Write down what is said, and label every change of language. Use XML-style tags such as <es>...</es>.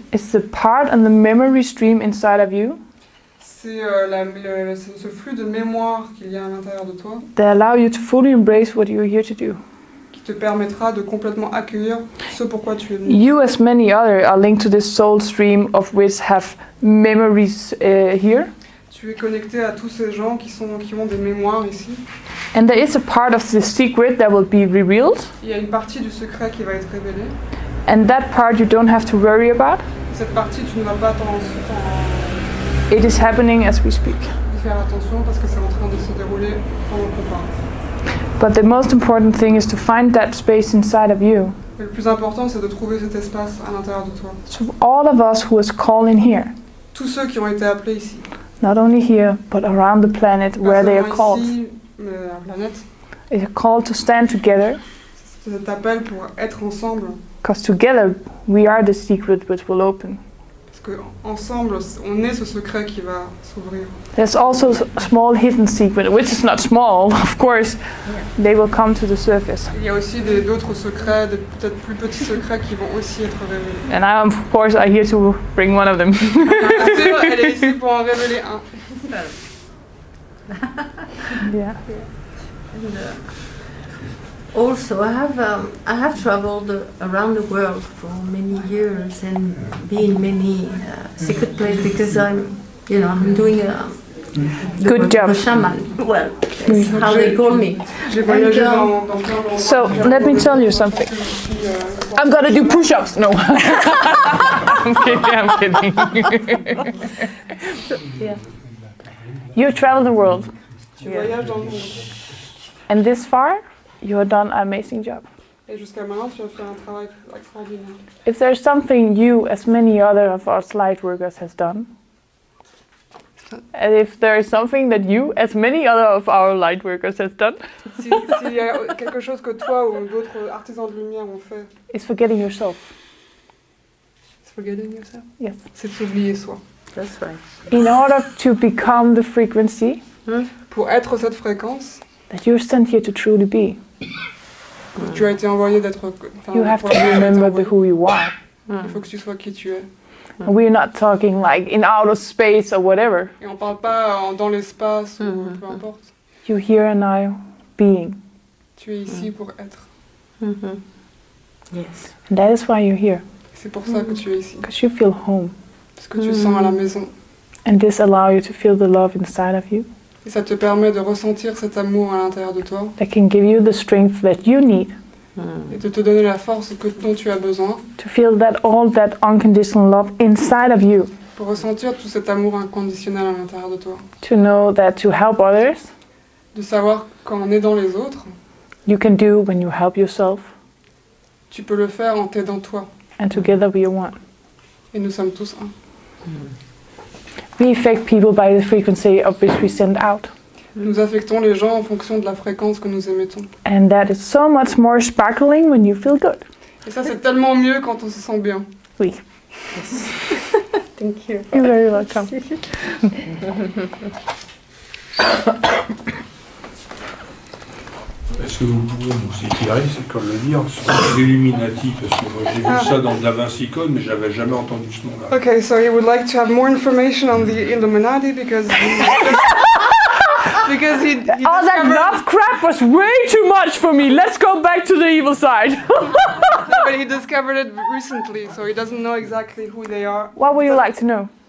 <en>It's the part and the memory stream inside of you.</en> <fr>C'est ce flux de mémoire qu'il y a à l'intérieur de toi.</fr> <en>That allow you to fully embrace what you're here to do.</en> <fr>Qui te permettra de complètement accueillir ce pourquoi tu es venu.</fr> <en>You, as many others, are linked to this soul stream of which have memories here.</en> <fr>Tu es connecté à tous ces gens qui ont des mémoires ici.</fr> <en>And there is a part of the secret that will be revealed.</en> <fr>Il y a une partie du secret qui va être révélée.</fr> <en>And that part you don't have to worry about.</en> <fr>Cette partie, tu ne vas pas t'en.</fr> <en>It is happening as we speak.</en> <fr>Faire attention parce que c'est en train de se dérouler pendant qu'on parle.</fr> <en>But the most important thing is to find that space inside of you.</en> <fr>Mais le plus important, c'est de trouver cet espace à l'intérieur de toi.</fr> <en>So all of us who is calling here.</en> <fr>Tous ceux qui ont été appelés ici.</fr> <en>Not only here, but around the planet where they are</en> <fr>ici,</fr> <en>called. It's a call to stand together.</en> <fr>C'est cet appel pour être ensemble.</fr> <en>Because together we are the secret which will open.</en> <fr>qu'ensemble, on est ce secret qui va s'ouvrir.</fr> <en>There's also a small hidden secret, which is not small, of course. They will come to the surface.</en> <fr>Il y a aussi d'autres secrets, des peut-être plus petits secrets qui vont aussi être révélés.</fr> <en>And I, of course, I'm here to bring one of them.</en> <fr>Elle est ici pour en révéler un.</fr> <en>Yeah. Also, I have traveled around the world for many years and been in many secret places because I'm, you know, I'm doing a good job. A shaman. Well, that's how they call me. And, so let me tell you something. I'm gonna do push-ups. No, I'm kidding. Yeah. You travel the world. Yeah. And this far? You have done an amazing job.</en> <fr>Et jusqu'à maintenant, tu as fait un travail extraordinaire.</fr> <en>If there's something you, as many other of our light workers, has done, and if there is something that you, as many other of our light workers, has done,</en> <fr>s'il y a quelque chose que toi ou d'autres artisans de lumière ont fait,</fr> <en>it's forgetting yourself. It's forgetting yourself. Yes.</en> <fr>C'est oublier soi.</fr> <en>That's right. In order to become the frequency,</en> <fr>pour être cette fréquence.</fr> <en>That you're sent here to truly be.</en> <fr>Tu as été envoyé d'être.</fr> <en>You have to remember who you are.</en> <fr>Il faut que tu sois qui tu es.</fr> <en>We're not talking like in outer space or whatever.</en> <fr>Et on parle pas dans l'espace ou peu importe.</fr> <en>You're here and now, being.</en> <fr>Tu es ici pour être.</fr> <en>Yes.</en> <fr>And that is why you're here.</fr> <en>C'est pour ça que tu es ici.</en> <fr>Because you feel home.</fr> <en>Parce que tu sens à la maison.</en> <fr>And this allows you to feel the love inside of you.</fr> <en>Et ça te permet de ressentir cet amour à l'intérieur de toi.</en> <fr>That can give you the strength that you need.</fr> <en>Et de te donner la force que dont tu as besoin.</en> <fr>To feel that all that unconditional love inside of you.</fr> <en>Pour ressentir tout cet amour inconditionnel à l'intérieur de toi.</en> <fr>To know that to help others.</fr> <en>De savoir qu'en aidant les autres.</en> <fr>You can do when you help yourself.</fr> <en>Tu peux le faire en t'aidant toi.</en> <fr>And together we are one.</fr> <en>Et nous sommes tous un.</en> <fr>We affect people by the frequency of which we send out.</fr> <en>Nous affectons les gens en fonction de la fréquence que nous émettons.</en> <fr>And that is so much more sparkling when you feel good.</fr> <en>Et ça, c'est tellement mieux quand on se sent bien.</en> <fr>Oui.</fr> <en>Yes. Thank you. You're very welcome.</en> <fr>Est-ce que vous pouvez nous éclairer, c'est comme le dire, sur l'Illuminati, parce que moi, j'ai vu ça dans Da Vinci Code, mais j'avais jamais entendu ce nom-là.</fr> <en>Okay, so you would like to have more information on the Illuminati, because he all that Lovecraft was way too much for me. Let's go back to the evil side. No, but he discovered it recently, so he doesn't know exactly who they are. What would you like to know?</en>